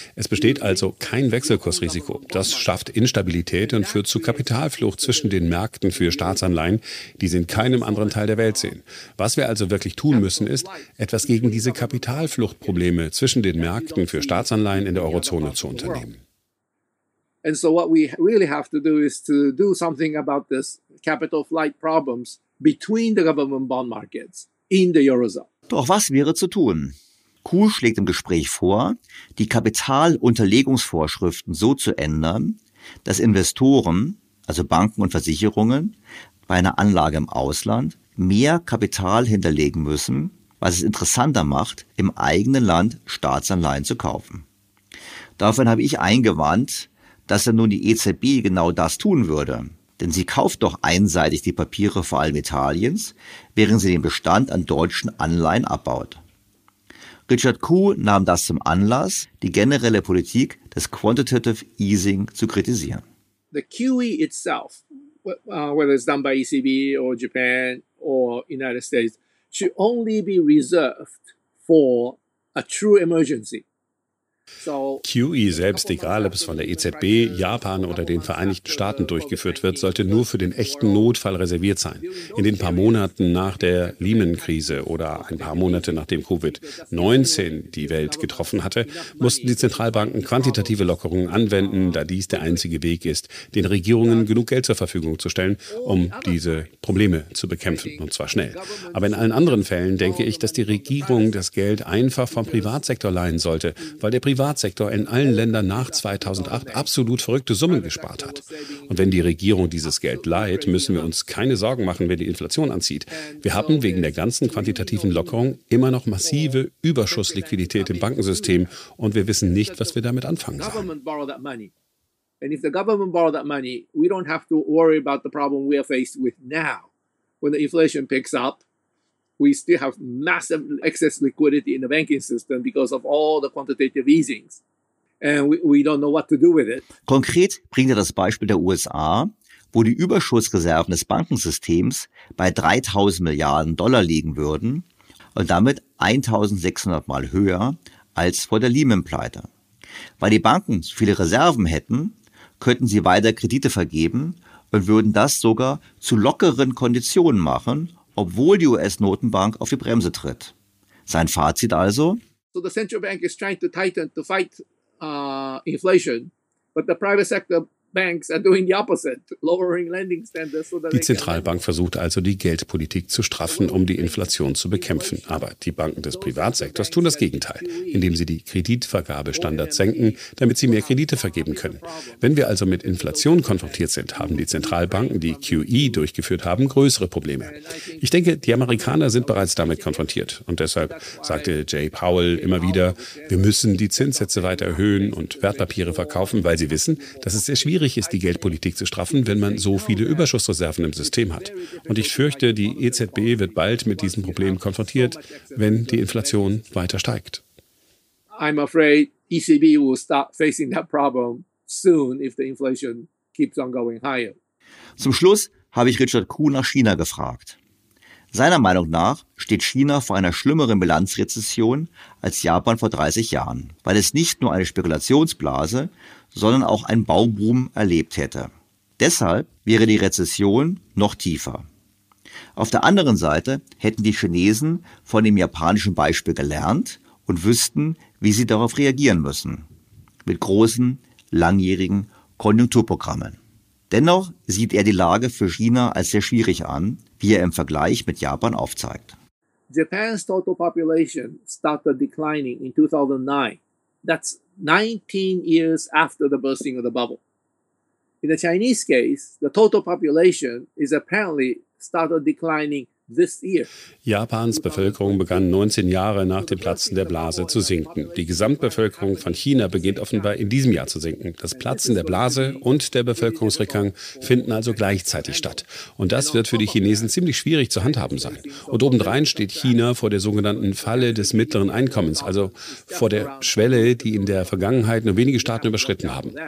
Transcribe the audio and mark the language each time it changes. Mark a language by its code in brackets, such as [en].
[de] Es besteht also kein Wechselkursrisiko. Das schafft Instabilität und führt zu Kapitalflucht zwischen den Märkten für Staatsanleihen, die sie in keinem anderen Teil der Welt sehen. Was wir also wirklich tun müssen, ist, etwas gegen diese Kapitalfluchtprobleme zwischen den Märkten für Staatsanleihen in der Eurozone zu unternehmen. [en] And so what we really have to do is to do something about this capital flight problems between the government bond markets in the Eurozone. [de] Doch was wäre zu tun? Kuhl schlägt im Gespräch vor, die Kapitalunterlegungsvorschriften so zu ändern, dass Investoren, also Banken und Versicherungen, bei einer Anlage im Ausland mehr Kapital hinterlegen müssen, was es interessanter macht, im eigenen Land Staatsanleihen zu kaufen. Davon habe ich eingewandt, dass ja nun die EZB genau das tun würde. Denn sie kauft doch einseitig die Papiere vor allem Italiens, während sie den Bestand an deutschen Anleihen abbaut. Richard Kuh nahm das zum Anlass, die generelle Politik des Quantitative Easing zu kritisieren. [en] The QE itself, whether it's done by ECB or Japan or United States, should only be reserved for a true emergency. [de] QE selbst, egal ob es von der EZB, Japan oder den Vereinigten Staaten durchgeführt wird, sollte nur für den echten Notfall reserviert sein. In den paar Monaten nach der Lehman-Krise oder ein paar Monate nachdem Covid-19 die Welt getroffen hatte, mussten die Zentralbanken quantitative Lockerungen anwenden, da dies der einzige Weg ist, den Regierungen genug Geld zur Verfügung zu stellen, um diese Probleme zu bekämpfen, und zwar schnell. Aber in allen anderen Fällen denke ich, dass die Regierung das Geld einfach vom Privatsektor leihen sollte, weil der Privatsektor in allen Ländern nach 2008 absolut verrückte Summen gespart hat. Und wenn die Regierung dieses Geld leiht, müssen wir uns keine Sorgen machen, wenn die Inflation anzieht. Wir haben wegen der ganzen quantitativen Lockerung immer noch massive Überschussliquidität im Bankensystem und wir wissen nicht, was wir damit anfangen sollen. [en] And if the government borrow that money, we don't have to worry about the problem we are faced with now. When the inflation picks up, we still have massive excess liquidity in the banking system because of all the quantitative easings. And we don't know what to do with it. [de] Konkret bringt er das Beispiel der USA, wo die Überschussreserven des Bankensystems bei 3.000 Milliarden Dollar liegen würden und damit 1.600 Mal höher als vor der Lehman-Pleite. Weil die Banken so viele Reserven hätten, könnten sie weiter Kredite vergeben und würden das sogar zu lockeren Konditionen machen, obwohl die US-Notenbank auf die Bremse tritt. Sein Fazit also? [en] So the central bank is trying to tighten to fight inflation, but the private sector banks are doing the opposite, lowering lending standards. [de] Die Zentralbank versucht also, die Geldpolitik zu straffen, um die Inflation zu bekämpfen. Aber die Banken des Privatsektors tun das Gegenteil, indem sie die Kreditvergabestandards senken, damit sie mehr Kredite vergeben können. Wenn wir also mit Inflation konfrontiert sind, haben die Zentralbanken, die QE durchgeführt haben, größere Probleme. Ich denke, die Amerikaner sind bereits damit konfrontiert. Und deshalb sagte Jay Powell immer wieder, wir müssen die Zinssätze weiter erhöhen und Wertpapiere verkaufen, weil sie wissen, dass es sehr schwierig ist, die Geldpolitik zu straffen, wenn man so viele Überschussreserven im System hat. Und ich fürchte, die EZB wird bald mit diesem Problem konfrontiert, wenn die Inflation weiter steigt. [en] I'm afraid ECB will start facing that problem soon if the inflation keeps on going higher. [de] Zum Schluss habe ich Richard Kuh nach China gefragt. Seiner Meinung nach steht China vor einer schlimmeren Bilanzrezession als Japan vor 30 Jahren, weil es nicht nur eine Spekulationsblase, sondern auch einen Bauboom erlebt hätte. Deshalb wäre die Rezession noch tiefer. Auf der anderen Seite hätten die Chinesen von dem japanischen Beispiel gelernt und wüssten, wie sie darauf reagieren müssen. Mit großen, langjährigen Konjunkturprogrammen. Dennoch sieht er die Lage für China als sehr schwierig an, wie er im Vergleich mit Japan aufzeigt. [en] Japan's total population started declining in 2009. That's 19 years after the bursting of the bubble. In the Chinese case, the total population is apparently started declining [de] Japans Bevölkerung begann 19 Jahre nach dem Platzen der Blase zu sinken. Die Gesamtbevölkerung von China beginnt offenbar in diesem Jahr zu sinken. Das Platzen der Blase und der Bevölkerungsrückgang finden also gleichzeitig statt. Und das wird für die Chinesen ziemlich schwierig zu handhaben sein. Und obendrein steht China vor der sogenannten Falle des mittleren Einkommens, also vor der Schwelle, die in der Vergangenheit nur wenige Staaten überschritten haben.